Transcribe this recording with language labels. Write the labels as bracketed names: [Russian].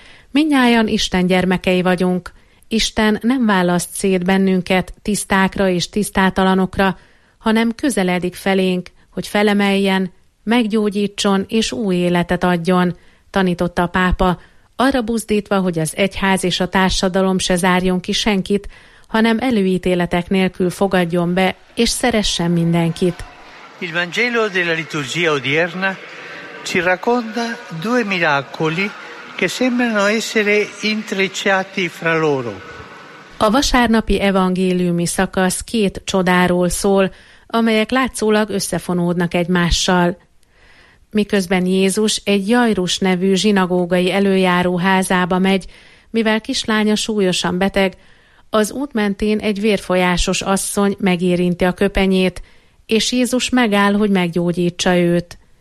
[Hungarian] Mindnyájan Isten gyermekei vagyunk. Isten nem választ szét bennünket tisztákra és tisztátalanokra, hanem közeledik felénk, hogy felemeljen, meggyógyítson és új életet adjon, tanította a pápa, arra buzdítva, hogy az egyház és a társadalom se zárjon ki senkit, hanem előítéletek nélkül fogadjon be és szeressen mindenkit. [Italian] Il Vangelo della liturgia odierna ci racconta due miracoli che sembrano essere intrecciati fra loro. [Hungarian] A vasárnapi evangéliumi szakasz két csodáról szól, amelyek látszólag összefonódnak egymással. Miközben Jézus egy Jairus nevű zsinagógai előjáró házába megy, mivel kislánya súlyosan beteg, az út mentén egy vérfolyásos asszony megérinti a köpenyét, és Jézus megáll, hogy meggyógyítsa őt.